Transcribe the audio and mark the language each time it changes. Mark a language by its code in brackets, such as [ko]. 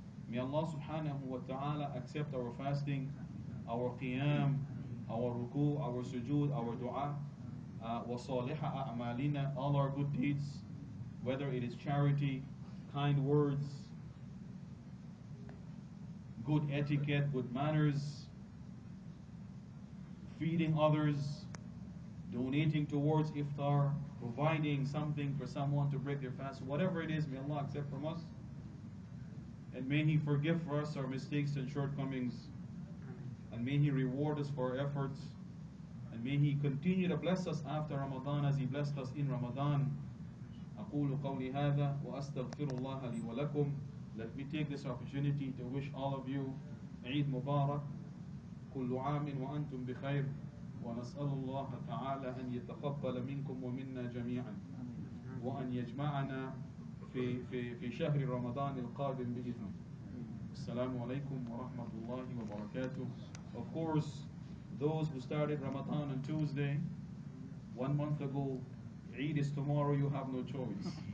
[en] May Allah subhanahu wa ta'ala accept our fasting, our qiyam, our ruku, our sujood, our dua, [ar] wa saliha a'malina, [en] all our good deeds, whether it is charity, kind words, good etiquette, good manners, feeding others, donating towards iftar, providing something for someone to break their fast, whatever it is, may Allah accept from us. And may He forgive for us our mistakes and shortcomings. And may He reward us for our efforts. And may He continue to bless us after Ramadan as He blessed us in Ramadan. [ar] أقول قولي هذا وأستغفر الله لي ولكم. [en] Let me take this opportunity to wish all of you Eid Mubarak. [ar] كل عام وأنتم بخير. ونسأل الله تعالى أن يتقبل منكم ومنا جميعا وأن يجمعنا في شهر رمضان القادم بإذن الله. السلام عليكم ورحمة الله وبركاته. [en] Of course, those who started Ramadan on Tuesday, 1 month ago, Eid is tomorrow, you have no choice.